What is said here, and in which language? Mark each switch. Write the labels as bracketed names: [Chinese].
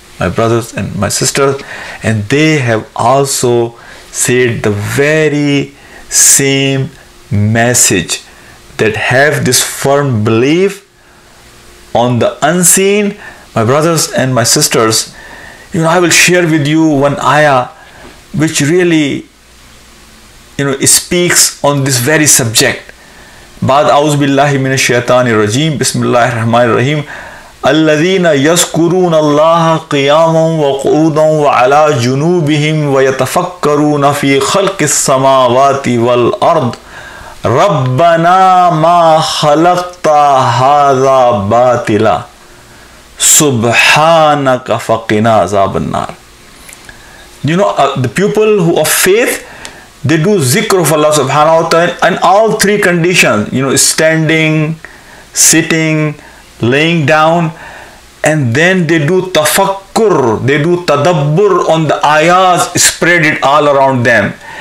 [English] My brothers and my sisters. And they have also said the very same message, that have this firm belief on the unseen. My brothers and my sisters, you know, I will share with you one ayah which really, you know, speaks on this very subject. [Arabic] بعد أعوذ بالله من الشيطان الرجيم بسم الله الرحمن الرحيم الذين يذكرون الله قياما وقعودا وعلى جنوبهم ويتفكرون في خلق السماوات والأرض ربنا ما خلقت هذا باطلا سبحانك فقنا عذاب النار. [English] You know, the people who of faith, they do zikr of Allah subhanahu wa ta'ala in all three conditions, you know, standing, sitting, laying down, and then they do tafakkur, they do tadabbur on the ayahs, spread it all around them.